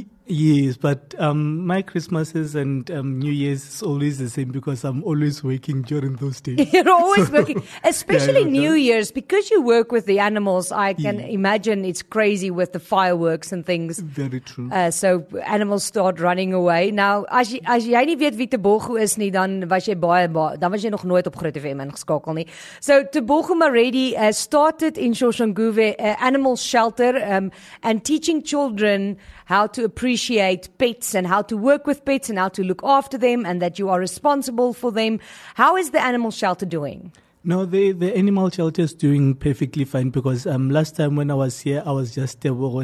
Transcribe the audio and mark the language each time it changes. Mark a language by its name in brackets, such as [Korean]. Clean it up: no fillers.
[English] Yes, but my Christmases and New Year's is always the same because I'm always working during those days. You're always working, especially New Year's, because you work with the animals. I can imagine it's crazy with the fireworks and things. Very true. So animals start running away. [Afrikaans] Now, as jy nie weet wie Tebogo is nie, dan was jy nog nooit op Groot FM ingeskakel nie. [English] So Tebogo Maredi started in Shoshanguve Animal Shelter and teaching children how to appreciate pets and how to work with pets and how to look after them and that you are responsible for them. How is the animal shelter doing? No, the animal shelter is doing perfectly fine because last time when I was here, I was just Tebogo.